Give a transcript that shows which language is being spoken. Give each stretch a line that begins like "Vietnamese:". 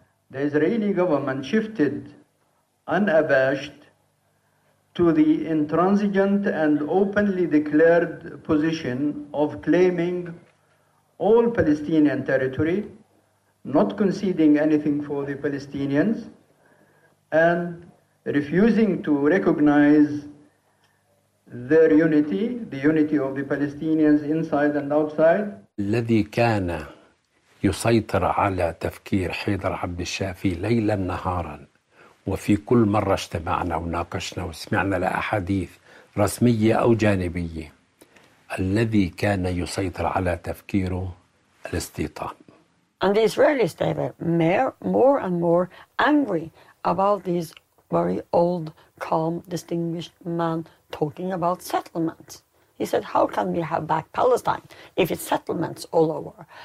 English: The Israeli government shifted unabashed to the intransigent and openly declared position of claiming all Palestinian territory, not conceding anything for the Palestinians, and refusing to recognize their unity, the unity of the Palestinians inside and outside.
Arabic: الذي كان يسيطر على تفكير حيدر عبد الشافي ليلا نهارا وفي كل مرة اجتمعنا وناقشنا وسمعنا لأحاديث رسمية أو جانبية، الذي كان يسيطر على تفكيره الاستيطان.
English: And the Israelis, they were more and more angry about this very old, calm, distinguished man talking about settlements. He said, how can we have back Palestine if it's settlements all over?